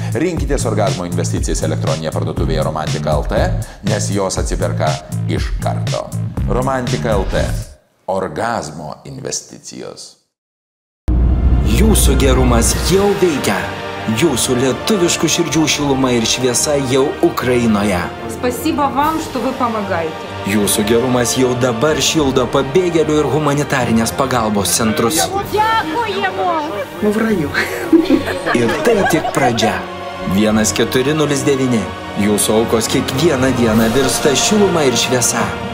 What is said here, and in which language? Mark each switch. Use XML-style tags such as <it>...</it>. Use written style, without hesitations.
<lt>Rinkitės orgazmo investicijas elektroninėje parduotuvėje Romantika LT, nes jos atsiperka iš karto. Romantika LT – orgazmo investicijos. Jūsų gerumas jau veikia. Jūsų lietuviškų širdžių šiluma ir šviesa jau Ukrainoje.</lt> <ru>Спасибо вам, что вы помогаете.</ru> <lt>Jūsų gerumas jau dabar šildo pabėgėlių ir humanitarinės pagalbos centrus.</lt> <uk>Dėkojimo! В раю.</uk> <lt>Ir tai tik pradžia. 1409. Jūsų aukos kiekvieną dieną virsta šiluma ir šviesa.</lt>